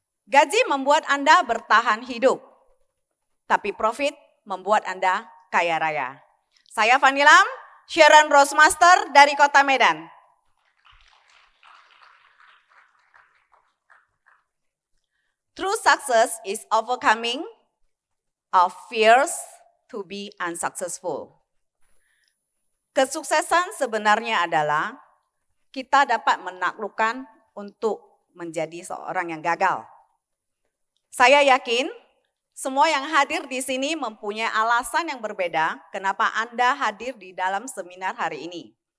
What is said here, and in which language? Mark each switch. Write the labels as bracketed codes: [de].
[id] Gaji membuat Anda bertahan hidup, tapi profit membuat Anda kaya raya. Saya Fanny Lam, Sharon Rosemaster dari Kota Medan. [en] True success is overcoming our fears to be unsuccessful. [id] Kesuksesan sebenarnya adalah kita dapat menaklukkan untuk menjadi seorang yang gagal. Saya yakin semua yang hadir di sini mempunyai alasan yang berbeda kenapa Anda hadir di dalam seminar hari ini.